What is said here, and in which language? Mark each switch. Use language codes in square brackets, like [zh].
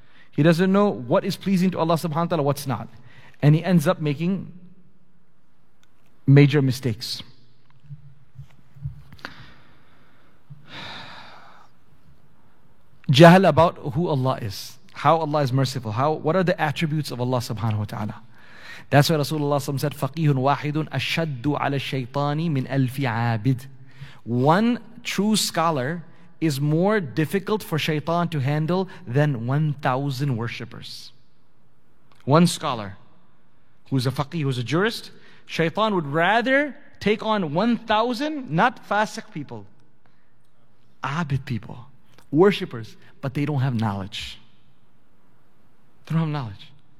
[en] He doesn't know what is pleasing to Allah subhanahu wa ta'ala, what's not. And he ends up making major mistakes. Jahl about who Allah is, how Allah is merciful, what are the attributes of Allah subhanahu wa ta'ala. That's why Rasulullah said, [ar] فَقِيهٌ وَاحِدٌ أَشَدُّ عَلَى الشَّيْطَانِ مِنْ أَلْفِ عَابِدٍ. [en] One true scholar is more difficult for shaitan to handle than 1,000 worshippers. One scholar who's a faqih, who's a jurist, shaitan would rather take on 1,000, not fasiq people, abid people, worshippers, but they don't have knowledge. They don't have knowledge.